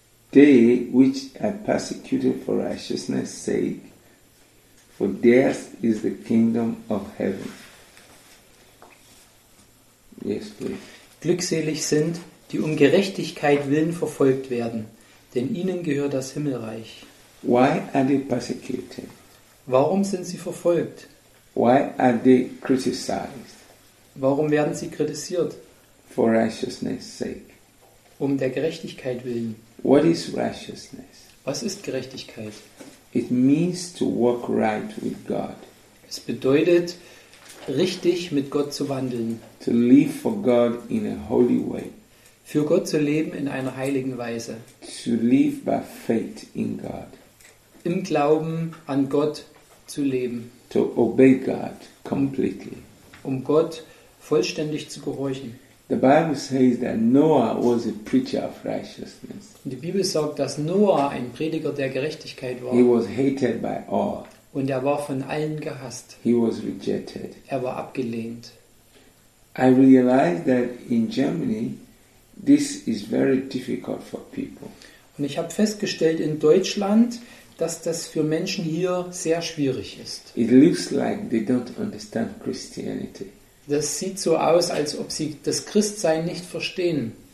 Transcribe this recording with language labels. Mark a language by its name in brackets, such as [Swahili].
[English] They which are persecuted for righteousness' sake, for theirs is the kingdom of heaven. Yes, please. [German] Glückselig sind, die um Gerechtigkeit willen verfolgt werden, denn ihnen gehört das Himmelreich. [English] Why are they persecuted? [German] Warum sind sie verfolgt? [English] Why are they criticized? [German] Warum werden sie kritisiert? [English] For righteousness' sake. [German] Um der Gerechtigkeit willen. [English] What is righteousness? [German] Was ist Gerechtigkeit? [English] It means to walk right with God. [German] Es bedeutet, richtig mit Gott zu wandeln. [English] To live for God in a holy way. [German] Für Gott zu leben in einer heiligen Weise. [English] To live by faith in God. [German] Im Glauben an Gott zu leben. [English] To obey God completely. [German] Um Gott vollständig zu gehorchen. [English] The Bible says that Noah was a preacher of righteousness. [German] Die Bibel sagt, dass Noah ein Prediger der Gerechtigkeit war. [English] He was hated by all. [German] Und er war von allen gehasst. [English] He was rejected. [German] Er war abgelehnt. [English] I realized that in Germany this is very difficult for people. [German] Und ich habe festgestellt in Deutschland, dass das für Menschen hier sehr schwierig ist. [English] It looks like they don't understand Christianity. [German] Das sieht so aus, als ob sie das Christsein nicht verstehen.